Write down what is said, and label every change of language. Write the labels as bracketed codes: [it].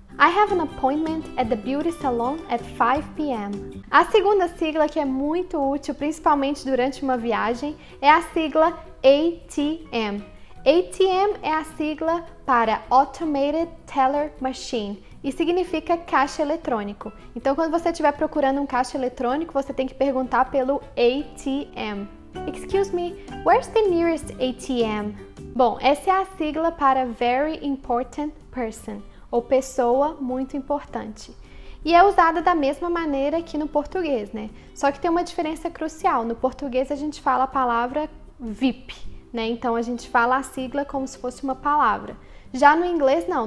[en] I have an appointment at the beauty salon at 5 PM. [pt] A segunda sigla que é muito útil, principalmente durante uma viagem, é a sigla ATM. ATM é a sigla para Automated Teller Machine e significa caixa eletrônico. Então, quando você estiver procurando um caixa eletrônico, você tem que perguntar pelo ATM. [en] Excuse me, where's the nearest ATM? [pt] Bom, essa é a sigla para Very Important Person, ou pessoa muito importante. E é usada da mesma maneira que no português, né? Só que tem uma diferença crucial. No português a gente fala a palavra VIP, né? Então a gente fala a sigla como se fosse uma palavra. Já no inglês, não.